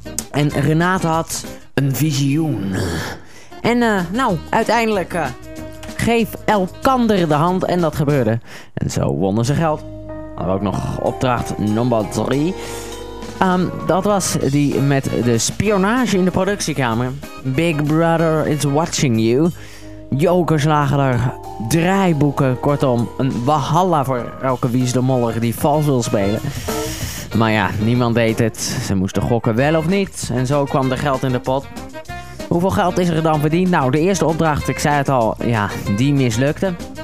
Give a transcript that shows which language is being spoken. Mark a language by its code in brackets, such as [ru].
[nl] En Renate had een visioen. En uiteindelijk geef elkander de hand en dat gebeurde. En zo wonnen ze geld. Hadden we ook nog opdracht nummer 3. Dat was die met de spionage in de productiekamer. [en] Big Brother is watching you. [nl] Jokers lagen er, draaiboeken, kortom een wahalla voor elke Wie is de Moller die vals wil spelen. Maar ja, niemand deed het. Ze moesten gokken wel of niet. En zo kwam er geld in de pot. Hoeveel geld is er dan verdiend? Nou, de eerste opdracht, ik zei het al, ja, die mislukte.